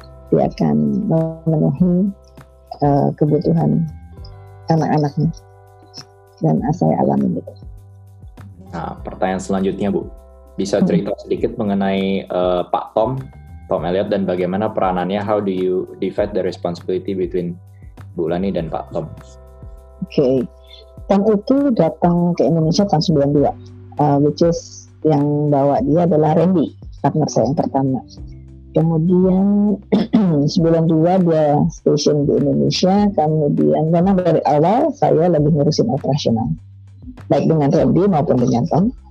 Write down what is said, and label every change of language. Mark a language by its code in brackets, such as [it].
[id] pasti akan memenuhi kebutuhan anak-anaknya dan saya alami itu. Nah, pertanyaan selanjutnya Bu, bisa cerita sedikit mengenai Pak Tom Elliot dan bagaimana peranannya? [en] How do you divide the responsibility between Bu Lani [id] dan [en] Pak Tom? Okay. [id] Tom itu datang ke Indonesia tahun 92, [en] which is [id] yang bawa dia adalah Randy, partner saya yang pertama. Kemudian 92 dia station di Indonesia, kemudian karena dari awal saya lebih ngurusin operasional, baik dengan Randy maupun dengan Tom.